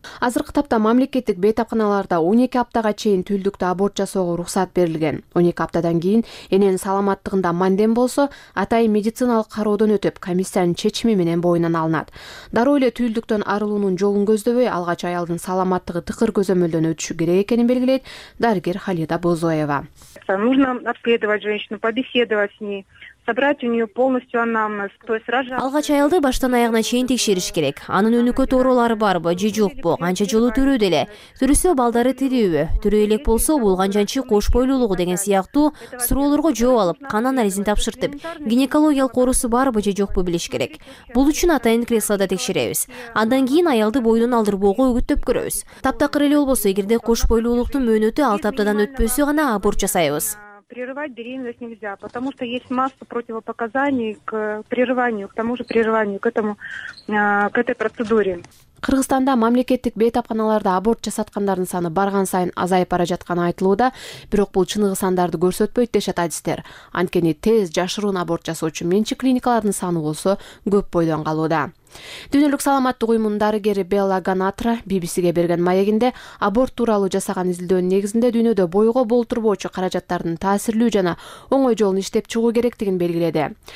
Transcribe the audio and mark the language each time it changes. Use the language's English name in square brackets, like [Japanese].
[Kyrgyz] Азыркы тапта мамлекеттик бейтапканаларда 12 аптага чейин түлдүктө аборт жасоого уруксат берилген. 12 аптадан кийин эненин саламаттыгында мандем болсо, атайын медициналык кароодон өтүп, комиссиянын чечими менен боюнан алынат. Дароо эле түлдүктөн арылуунун жолун көздөбөй, алгач аялдын саламаттыгы тыкыр көзөмөлдөн өтүшү керек экенин белгилейт дарыгер Халида Бозоева. [Russian] Нужно обследовать женщину, побеседовать с ней. Собрать у нее полностью анамнез, то есть рожать. [Kyrgyz] Алгач аялды баштан аягына чейин текшериш керек. Анын өнүккө тоорулары барбы, же жокпу, канча жолу түрүү деле. Түрүсө балдары тирүүбү, түрү элек болсо болгон жанчы кош бойлуулугу деген сыяктуу суроолорго жооп алып, кан анализин тапшыртып, гинекологиялык оорусу барбы же жокпу билиш керек. Бул үчүн атайын креслода текшеребиз. Андан кийин аялды бойдон алдырбоого үгүттөп көрөбүз. Таптакыр эле болбосо, эгерде кош бойлуулуктун мөөнөтү 6 аптадан өтпөсө гана аборт жасайбыз. [Russian] Прерывать беременность нельзя, потому что есть масса противопоказаний к прерыванию, к тому же прерыванию к этому, к этой процедуре. [Kyrgyz] Кыргызстанда мамлекеттик бейтапканаларда аборт жасаткандардын саны барган сайын азайып бара жатканы айтылууда, бирок бул чыныгы сандарды көрсөтпөйт дешет адистер. Анткени тез жашыруун аборт жасоочу менчик клиникалардын саны болсо көп бойдон калууда. Дүйнөлүк саламаттык уюмунун дарыгери Белла Ганатра BBC'ге берген маегинде аборт тууралуу жасаган изилдөөнүн негизинде дүйнөдө бойго болтурбоочу каражаттардын таасирлүү жана оңой жолун иштеп чыгуу керектигин белгиледи.